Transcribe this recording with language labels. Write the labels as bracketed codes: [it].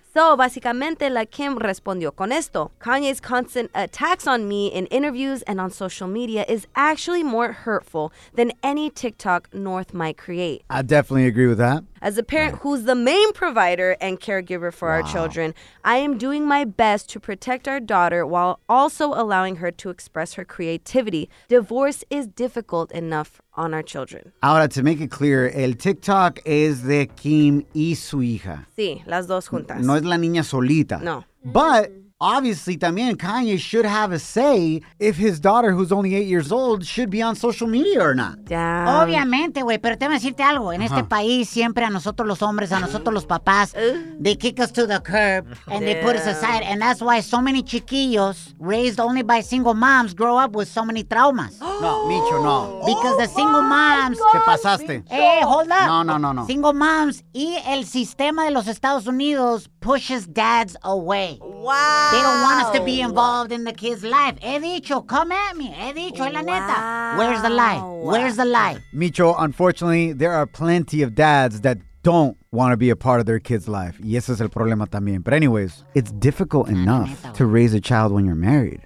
[en] So, [es] básicamente, la Kim respondió con esto. [en] Kanye's constant attacks on me in interviews and on social media is actually more hurtful than any TikTok North might create. I definitely agree with that. As a parent who's the main provider and caregiver for our children, I am doing my best to protect our daughter while also allowing her to express her creativity. Divorce is difficult enough on our children. [es] Ahora, [en] to make it clear, [es] el TikTok es de Kim y su hija. Sí, las dos juntas. No es la niña solita. No. [en] But obviously, [es] también, [en] Kanye should have a say if his daughter, who's only 8 years old, should be on social media or not. Damn. [es] Obviamente, güey, pero te voy a decirte algo. En este país, siempre a nosotros los hombres, a nosotros los papás, [en] they kick us to the curb and they put us aside. And that's why so many chiquillos raised only by single moms grow up with so many traumas. No, Micho, no. Because the single moms... [es] ¿Qué pasaste? [en] Hold up. No. Single moms [es] y el sistema de los Estados Unidos [en] pushes dads away. Wow. They don't want us to be involved in the kid's life. [es] He dicho, [en] come at me. [es] He dicho, la neta. [en] Where's the lie? Where's the lie? Micho, unfortunately, there are plenty of dads that don't want to be a part of their kid's life. [es] Y ese es el problema también. [en] But anyways, it's difficult enough to raise a child when you're married.